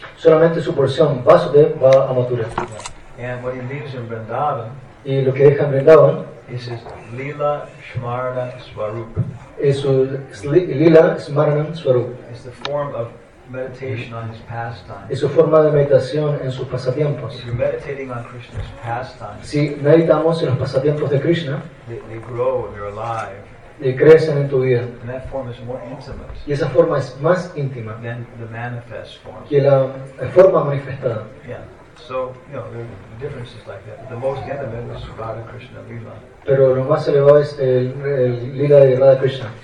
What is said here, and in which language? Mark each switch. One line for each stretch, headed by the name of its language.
Spanish: Solamente su porción Vasudev va a Mathura.
English: Yeah. And what he leaves in Vrindavan,
Spanish: y lo que deja en Vrindavan,
English: is his Lila Smarana Swarup.
Spanish: Es su Lila Smarana Swarup.
English: It's the form of meditation on his pastime.
Spanish: Es su forma de meditación en sus pasatiempos.
English: If you're meditating on Krishna's pastime,
Spanish: si meditamos en los pasatiempos de Krishna,
English: they grow and you're alive.
Spanish: Y crecen en tu vida.
English: And that form is more intimate.
Spanish: Y esa forma es más íntima
English: than the manifest form.
Spanish: Que la forma manifestada.
English: Yeah. So, you know, there are differences like that. The most intimate is Radha Krishna Lila.
Spanish: Pero lo más elevado es el Lila de Radha Krishna.